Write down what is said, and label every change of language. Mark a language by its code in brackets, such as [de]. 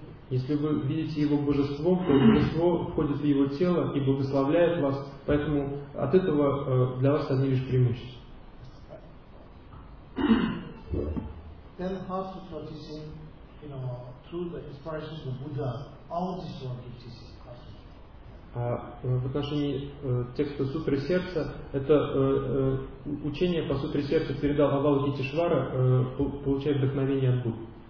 [ru] Если вы видите его божеством, то божество входит в его тело и благословляет вас, поэтому от этого для вас одни лишь преимущества. [en] Then Heart Sutra teaching, you know, through the inspiration of Buddha, all this work is teaching. [ru] В отношении текста Сутры Сердца, это учение по Сутре Сердца передал Авалокитешвара, получая вдохновение от Будды.